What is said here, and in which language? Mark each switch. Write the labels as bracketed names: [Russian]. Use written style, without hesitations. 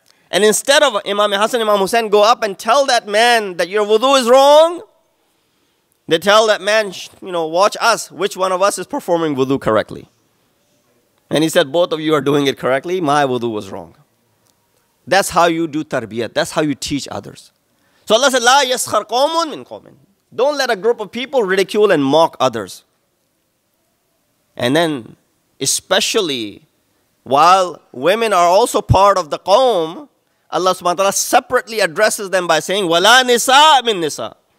[English] And instead of Imam Hassan, Imam Hussein go up and tell that man that your wudu is wrong, they tell that man, you know, watch us, which one of us is performing wudu correctly. And he said, both of you are doing it correctly, my wudu was wrong. That's how you do tarbiyah, that's how you teach others. So Allah said, [Arabic] لا يسخر قوم من قوم. [English] Don't let a group of people ridicule and mock others. And then, especially while women are also part of the qawm, Allah subhanahu wa ta'ala separately addresses them by saying, [Arabic] وَلَا نِسَاءَ مِن نِسَاءَ.